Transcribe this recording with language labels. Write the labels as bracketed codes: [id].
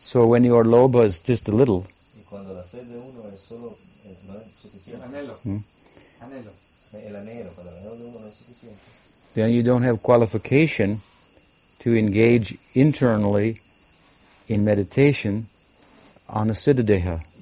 [en] So when your lobha is just a little, [es] y cuando la sed de uno es solo, no es suficiente. El anhelo. Anhelo. El anhelo, cuando el anhelo de uno no es suficiente. [en] Then you don't have qualification to engage internally in meditation on a siddha-deha.